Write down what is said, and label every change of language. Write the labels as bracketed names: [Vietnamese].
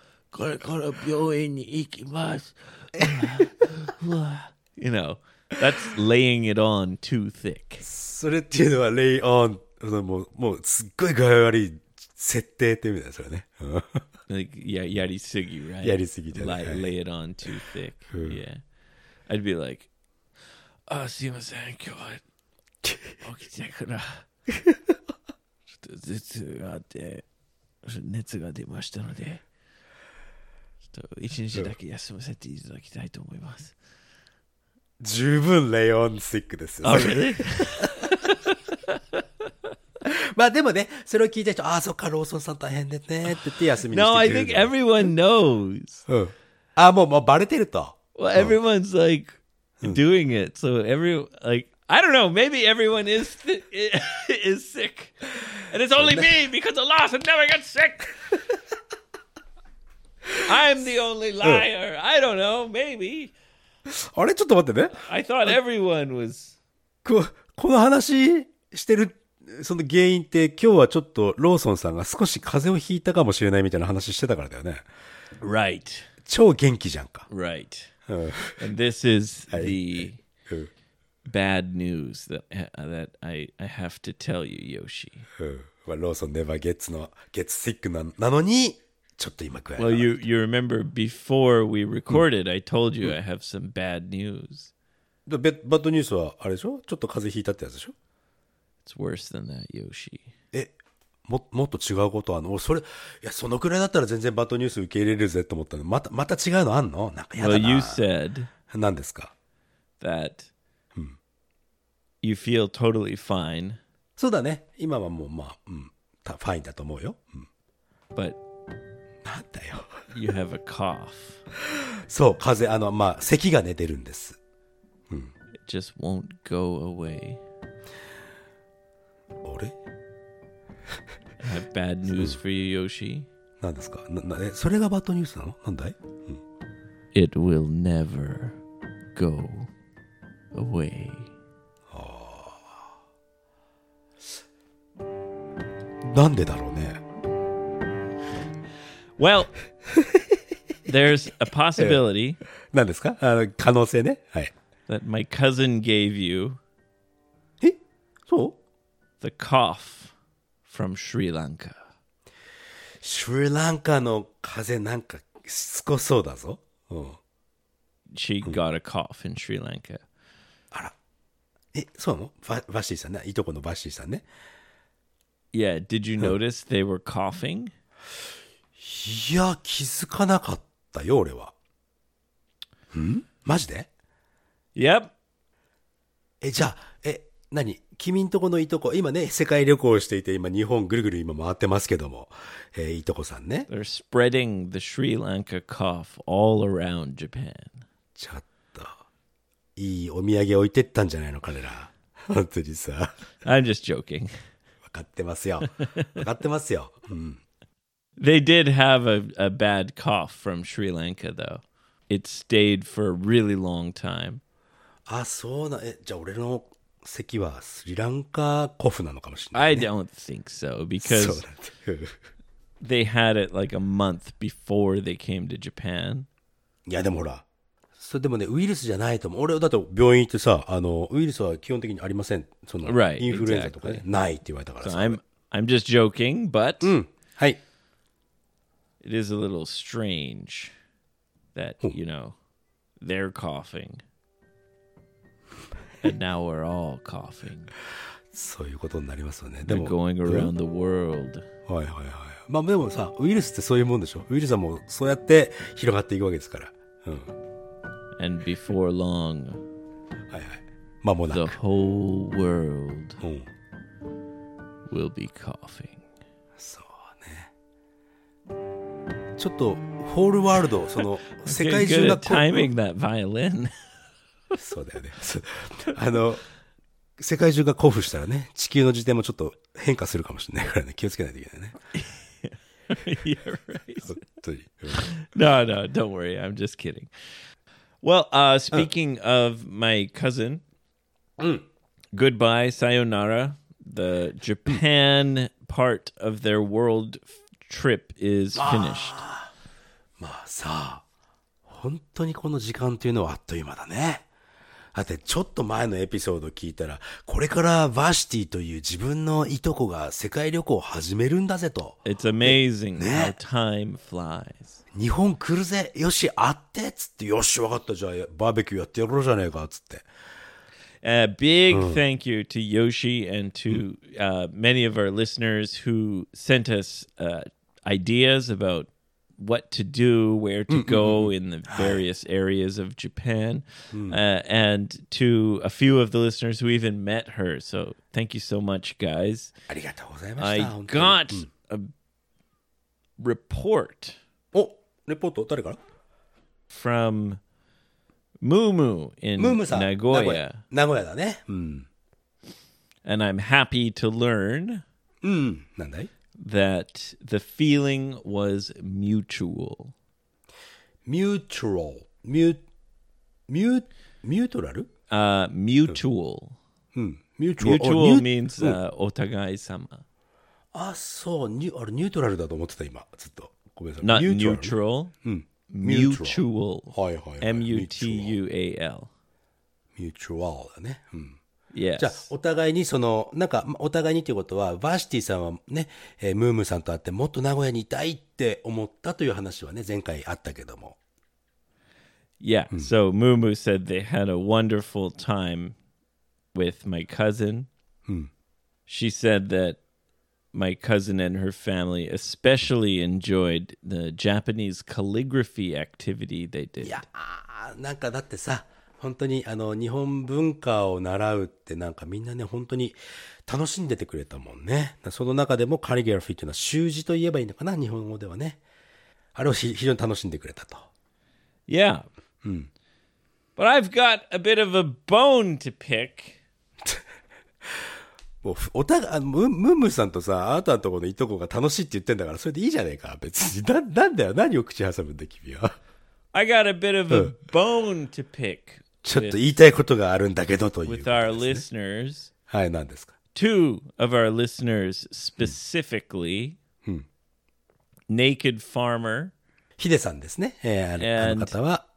[Japanese] これから病院に行きます。 [English] You know, that's laying it on too thick. [Japanese] それっていうのは lay on、もうすっごい具合悪い。設定って意味だよ、それね。 [English] like, yeah, [Japanese] やりすぎ、 [English] right? [Japanese] やりすぎじゃない。 [English] Lay it on too thick. 、yeah. I'd be like, [Japanese] あ、すいません、今日は起きてから。ちょっと頭痛があって、熱が出ましたので、ちょっと一日だけ休ませていただきたいと思います。十分 [English] lay on sick [Japanese] ですよ。あ、 [English] really? [Japanese] まあでもね、それを聞いた人、ああ、そっか、ローソンさん大変でねって言って休みにしてくれる。 [English] No, I think everyone knows. 、 [Japanese] うん、ああ、もうバレてると。 [English] Well, everyone's like doing it. So everyone, like, I don't know, maybe everyone is sick. And it's only me because the last one never gets sick. I'm the only liar. I don't know, maybe. [Japanese] あれ、ちょっと待ってね。 [English] I thought everyone was. [Japanese] この話してる。その原因って今日はちょっとローソンさんが少し風邪をひいたかもしれないみたいな話してたからだよね。 [English] Right. [Japanese] 超元気じゃんか。 [English] Right. And this is the bad news that I have to tell you, Yoshi. [Japanese] ローソン [English] never gets [Japanese] の [English] gets sick [Japanese] なのにちょっと今くらい。 [English] Well, you remember before we recorded,、うん、I told you、うん、I have some bad news. [Japanese] Bad news はあれでしょ？ちょっと風邪ひいたってやつでしょ？ [English] It's worse than that, Yoshi. [Japanese] もっと違うことあるの？それ、いや、そのくらいだったら全然バッドニュース受け入れるぜと思ったの。また違うのあんの？なんかやだな。 [English] Well, you said [Japanese] 何ですか？ [English] That you feel totally fine. [Japanese] そうだね。今はもうまあ、うん、ファインだと思うよ。うん、 [English] But [Japanese] なんだよ。 [English] You have a cough. [Japanese] そう、風邪、あの、まあ、咳がね、出るんです。うん、 [English] It just won't go away. I have bad news for you, Yoshi. [Japanese] 何ですか？それがバッドニュースなの？なんだい？うん。 [English] It will never go away. [Japanese] なんでだろうね。 [English] Well, there's a possibility. [Japanese] 何ですか？あの、可能性ね。はい。 [English] That my cousin gave you. [Japanese] え？そう？ [English] The cough. From Sri Lanka. [Japanese] Sri Lanka の風邪なんかしつこそうだぞ。うん。 [English] She got a cough in Sri Lanka. [Japanese] あら。え、そうなの？バシーさんね。いとこのバシーさんね。 [English] Yeah, did you notice they were coughing? [Japanese] いや、気づかなかったよ、俺は。ん？マジで？ [English] Yep. [Japanese] え、じゃあ、え、何？君んとこのいとこ、今ね、世界旅行していて、今日本ぐるぐる今回ってますけども、いとこさんね。 [English] They're spreading the Sri Lanka cough all around Japan. [Japanese] ちょっと、いいお土産置いてったんじゃないの、彼ら。本当にさ。 [English] I'm just joking. [Japanese] 分かってますよ。分かってますよ。うん。 [English] They did have a bad cough from Sri Lanka, though. It stayed for a really long time. [Japanese] あ、そうな、え、じゃあ俺の、咳はスリランカコフなのかもしれないね。 I don't think so because they had it like a month before they came to Japan. いやでもほら、そうでもね、ウイルスじゃないと思う。俺だと病院行ってさ、あのウイルスは基本的にありません、そのインフルエンザとかね、 [English] right, exactly. [Japanese] ないって言われたからさ、 [English] so、I'm just joking but、 [Japanese] うん、はい、 [English] It is a little strange that you know they're coughing and now we're all coughing [Japanese] そういうことになりますよね。 [English] でも going around the world、 [Japanese] はいはいはい、まあでもさ、ウイルスってそういうもんでしょ。ウイルスはもうそうやって広がっていくわけですから、うん、 [English] And before long, [Japanese] はい、はい、間もなく [English] the whole world will be coughing. [Japanese] そうね。ちょっとホールワールド、その世界中が [English] timing that violin. [Japanese] そうだよね。あの世界中が興奮したらね、地球の時点もちょっと変化するかもしれないからね、気をつけないといけないね。 [English] You're right. No, no, don't worry. I'm just kidding. Well, speaking of my cousin, goodbye, sayonara. The Japan part of their world trip is finished. [Japanese] まあさ、本当にこの時間というのはあっという間だね。だってちょっと前のエピソード聞いたら、これからバシティという自分のいとこが世界旅行を始めるんだぜと。 [English] It's amazing、ね、how time flies. [Japanese] 日本来るぜ、よし会ってっつって、よし分かった、じゃあバーベキューやってやろうじゃねえかっつって。 [English] A big thank you to Yoshi and to、many of our listeners who sent us、ideas about what to do, where to go in the various areas of Japan、and to a few of the listeners who even met her. So thank you so much, guys. [Japanese] ありがとうございました。 [English] I got a report. [Japanese] レポート誰から [English] ？From Mumu in Nagoya. [Japanese] 名古屋だね。うん。 [English] And I'm happy to learn、 [Japanese] なんだい？ [English] That the feeling was mutual. Mutual. Mutual? Mutual. Mutual. Mutual means、 [Japanese] お互い様。あ、そう。あれ、ニュートラルだと思ってた今、ずっと。 [English] Not neutral. Mutual. M-U-T-U-A-L. Mutual. Yes. [Japanese] じゃあお互いにそのなんかお互いにということは、バーシティさんはね、ムームーさんと会ってもっと名古屋にいたいって思ったという話はね、前回あったけども。 [English] Yeah. So Mumu said they had a wonderful time with my cousin. She said that. My cousin and her family especially enjoyed the Japanese calligraphy activity they did. [Japanese] いやなんかだってさ、本当にあの日本文化を習うってなんかみんなね本当に楽しんでてくれたもんね。その中でもカリグラフィーっていうのは習字と言えばいいのかな、日本語ではね。あれを非常に楽しんでくれたと。 [English] Yeah. [Japanese] うん。 [English] But I've got a bit of a bone to pick. [Japanese] もうおたがムームーさんとさ、あなたのところのいとこが楽しいって言ってんだから、それでいいじゃねえか別に。なんだよ、何を口挟むんだ君は。 [English] I got a bit of a bone to pick [Japanese] ちょっと言いたいことがあるんだけどという、ね、 [English] with our listeners [Japanese] はい、何ですか。 [English] Two of our listeners specifically、Naked Farmer [Japanese] ヒデさんですね、あの方は、